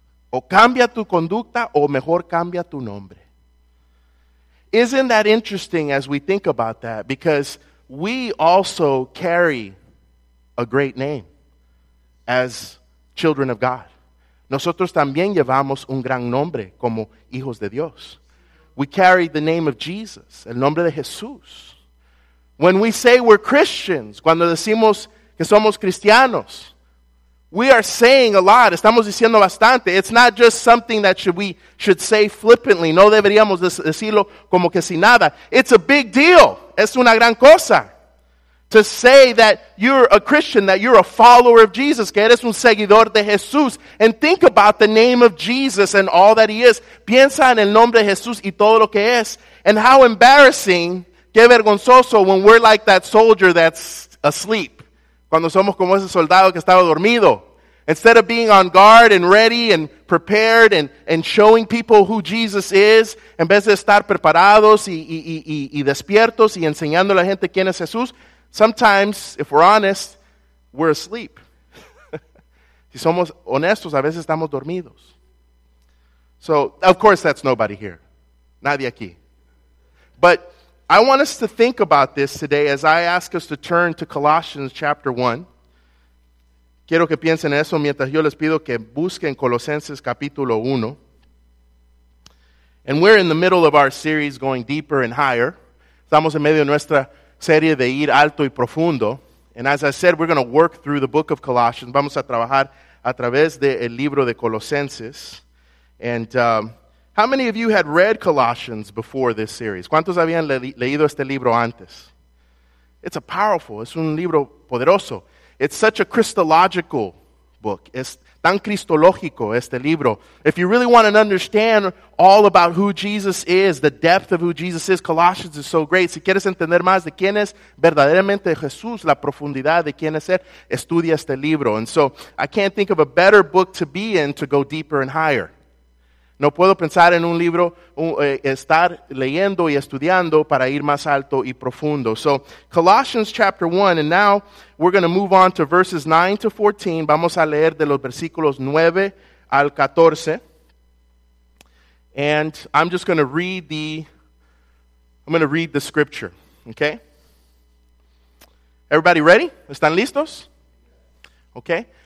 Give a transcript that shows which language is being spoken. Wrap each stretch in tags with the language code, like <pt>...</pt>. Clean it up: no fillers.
<es>O cambia tu conducta o mejor cambia tu nombre.</es> <en>Isn't that interesting as we think about that? Because we also carry a great name as children of God.</en> <es>Nosotros también llevamos un gran nombre como hijos de Dios.</es> <en>We carry the name of Jesus,</en> <es>el nombre de Jesús.</es> <en>When we say we're Christians,</en> <es>cuando decimos que somos cristianos,</es> <en>we are saying a lot,</en> <es>estamos diciendo bastante.</es> <en>It's not just something that we should say flippantly.</en> <es>No deberíamos decirlo como que si nada.</es> <en>It's a big deal.</en> <es>Es una gran cosa</es> <en>to say that you're a Christian, that you're a follower of Jesus,</en> <es>que eres un seguidor de Jesús.</es> <en>And think about the name of Jesus and all that he is.</en> <es>Piensa en el nombre de Jesús y todo lo que es.</es> <en>And how embarrassing,</en> <es>qué vergonzoso,</es> <en>when we're like that soldier that's asleep.</en> <es>Cuando somos como ese soldado que estaba dormido.</es> <en>Instead of being on guard and ready and prepared and showing people who Jesus is,</en> <es>en vez de estar preparados y despiertos y enseñando a la gente quién es Jesús,</es> <en>sometimes, if we're honest, we're asleep.</en> <es>Si somos honestos, a veces estamos dormidos.</es> <en>So, of course, that's nobody here.</en> <es>Nadie aquí.</es> <en>But I want us to think about this today as I ask us to turn to Colossians chapter 1.</en> <es>Quiero que piensen eso mientras yo les pido que busquen Colosenses capítulo 1.</es> <en>And we're in the middle of our series going deeper and higher.</en> <es>Estamos en medio de nuestra serie de ir alto y profundo.</es> <en>And as I said, we're going to work through the book of Colossians.</en> <es>Vamos a trabajar a través del libro de Colosenses.</es> <en>And how many of you had read Colossians before this series?</en> <es>¿Cuántos habían leído este libro antes?</es> <en>It's a powerful,</en> <es>es un libro poderoso.</es> <en>It's such a Christological book.</en> <es>Es tan cristológico este libro.</es> <en>If you really want to understand all about who Jesus is, the depth of who Jesus is, Colossians is so great.</en> <es>Si quieres entender más de quién es verdaderamente Jesús, la profundidad de quién es él, estudia este libro.</es> <en>And so I can't think of a better book to be in to go deeper and higher.</en> <es>No puedo pensar en un libro, estar leyendo y estudiando para ir más alto y profundo.</es> <en>So, Colossians chapter 1, and now we're going to move on to verses 9 to 14.</en> <es>Vamos a leer de los versículos 9 al 14.</es> <en>And I'm just going to read the, scripture, okay? Everybody ready?</en> <es>¿Están listos?</es> <en>Okay.</en>